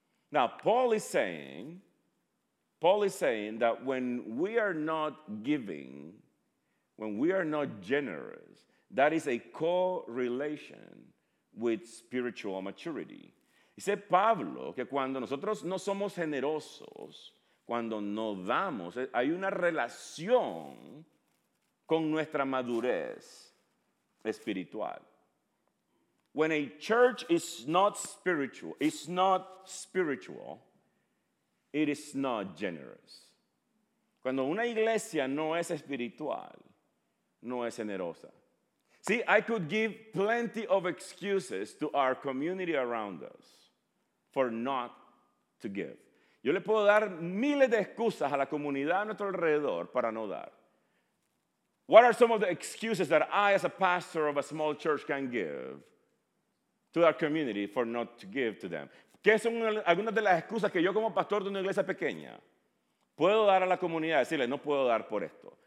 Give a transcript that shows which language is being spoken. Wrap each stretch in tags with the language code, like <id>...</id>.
<en>Now, Paul is saying that when we are not giving, when we are not generous, that is a correlation with spiritual maturity.</en> <es>Dice Pablo que cuando nosotros no somos generosos, cuando no damos, hay una relación con nuestra madurez espiritual.</es> <en>When a church is not spiritual, it is not generous.</en> <es>Cuando una iglesia no es espiritual, no es generosa.</es> <en>See, I could give plenty of excuses to our community around us for not to give.</en> <es>Yo le puedo dar miles de excusas a la comunidad a nuestro alrededor para no dar.</es> <en>What are some of the excuses that I, as a pastor of a small church, can give to our community for not to give to them?</en> <es>¿Qué son algunas de las excusas que yo, como pastor de una iglesia pequeña, puedo dar a la comunidad y decirle, no puedo dar por esto?</es>